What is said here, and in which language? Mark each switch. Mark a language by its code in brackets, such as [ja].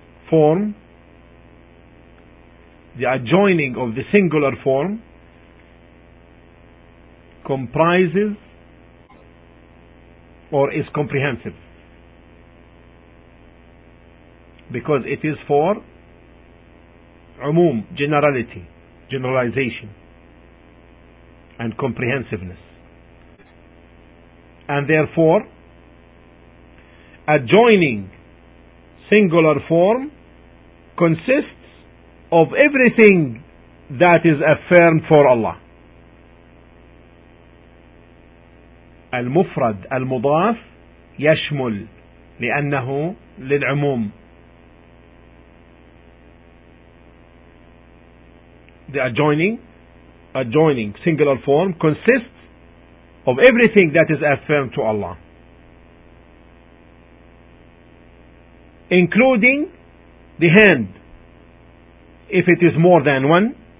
[en] form, the adjoining of the singular form, comprises or is comprehensive, because it is for umum, generality, generalization, and comprehensiveness. And therefore, adjoining singular form consists of everything that is affirmed for Allah. [ar] المفرد المضاف يشمل لأنه للعموم. [en] The adjoining singular form consists of everything that is affirmed to Allah, including the hand if it is more than one,